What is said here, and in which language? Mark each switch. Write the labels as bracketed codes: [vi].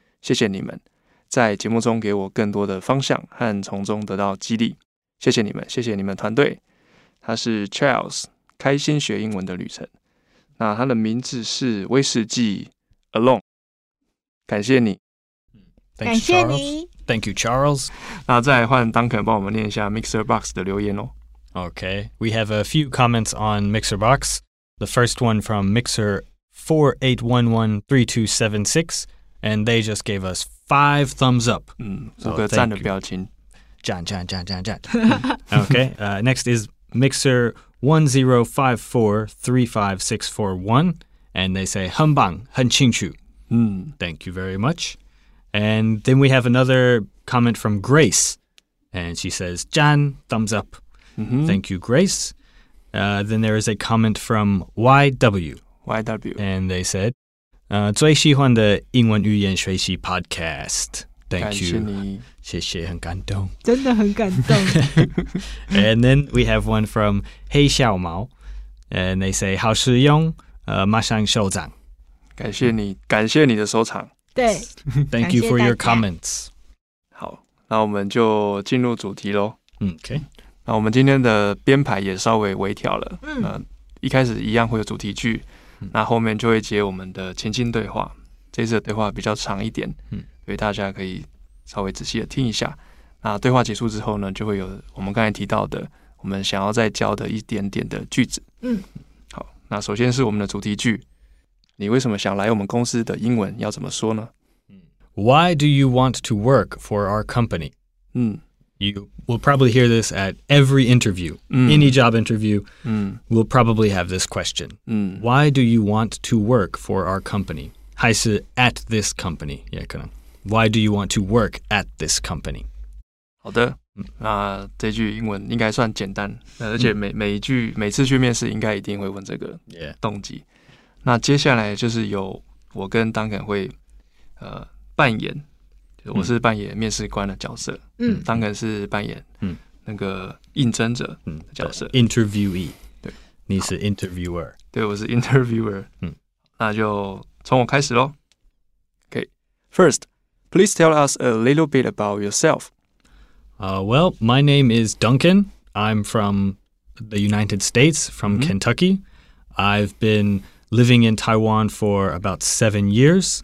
[zh] 谢谢你们在节目中给我更多的方向和从中得到激励，谢谢你们，谢谢你们团队。他是 Charles， 开心学英文的旅程。那他的名字是威士忌 Alone， 感谢你，感谢你 [en] ，Thank you Charles。 [zh] 那再换 Duncan 帮我们念一下 Mixer Box 的留言哦。 [en] Okay， we have a few comments on Mixer Box. The first one from Mixer 48113276， and they just gave us 5 thumbs up。 [zh] 五个赞的表情。赞。 [en] Okay， next is Mixer 10543564 1， and they say [zh] 很棒，很清楚。 [en] Thank you very much。 And then we have another comment from Grace, and she says, Jan, thumbs up. Mm-hmm. Thank you, Grace. Then there is a comment from YW. And they said, [zh] 最喜欢的英文语言学习 [en] podcast. Thank you. [zh] 感谢你。谢谢，很感动。真的很感动。 [en] And then we have one from 黑小毛, and they say, [zh] 好实用,马上收藏。感谢你，感谢你的收藏。对 [en] ，Thank you for your comments。 [zh] 好，那我们就进入主题咯。 [en] OK， [zh] 那我们今天的编排也稍微微调了。一开始一样会有主题句，那后面就会接我们的情境对话。这次的对话比较长一点，所以大家可以稍微仔细的听一下。那对话结束之后呢，就会有我们刚才提到的我们想要再教的一点点的句子。好，那首先是我们的主题句，你为什么想来我们公司的英文要怎么说呢？ [en] Why do you want to work for our company? You will probably hear this at every interview, any job interview, will probably have this question. Why do you want to work for our company? [zh] 还是 [en] at this company? [zh] 也可能。 [en] Why do you want to work at this company? [zh] 好的，那这句英文应该算简单，而且 每一句每次去面试应该一定会问这个动机。那接下来就是有我跟 Duncan 会扮演，我是扮演面试官的角色，Duncan 是扮演那个应征者的角色 [en] ，interviewee。 [zh] 对，你是 interviewer。对，我是 interviewer。那就从我开始咯。 [en] Okay, first, please tell us a little bit about yourself. Well, my name is Duncan. I'm from the United States, from Kentucky. I've been living in Taiwan for about 7 years.